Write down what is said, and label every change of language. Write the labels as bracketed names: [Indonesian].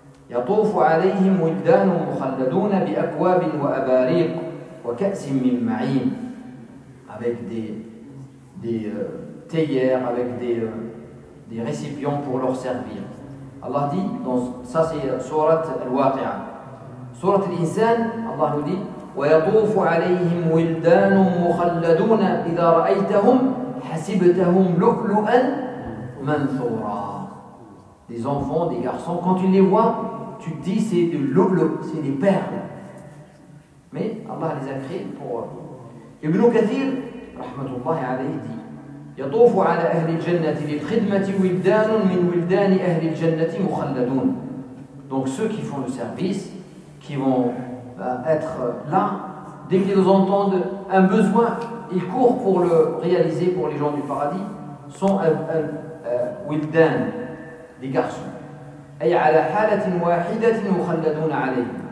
[Arabic] يَطُوفُ عَلَيْهِمْ وِلْدَانٌ مُخَلَّدُونَ بِأَكْوَابٍ وَأَبَارِيقٍ وَكَأْسٍ مِنْ مَعِينٍ. [French] Avec des théières, avec des récipients pour leur servir. Allah dit, donc, ça c'est surat al-Waqi'a. [Arabic] Surat al-Insan, [French] Allah nous dit [Arabic] وَيَطُوفُ عَلَيْهِمْ وِلْدَانٌ مُخَلَّدُونَ إِذَا رَأَيْتَهُمْ حَسِبْتَهُمْ لُؤْلُؤًا مَنْثُورًا. [French] Des enfants, des garçons, quand tu les vois, tu te dis c'est de l'oubleau, c'est des perles. Mais Allah les a créés pour eux. [Arabic] Ibn Kathir, rahmatullahi alayhi, [French] dit [Arabic] يَطُوفُ عَلَى أَهْلِ الْجَنَّةِ لِلْخِدْمَةِ وِلْدَانٌ مِنْ وِلْدَانِ أَهْلِ الْجَنَّةِ مُخَلَّدُونَ. [French] Donc ceux qui font le service, qui vont être là, dès qu'ils entendent un besoin, ils courent pour le réaliser pour les gens du paradis, sont wildan, des garçons. [Arabic] أي على حالة واحدة مخلدون عليه.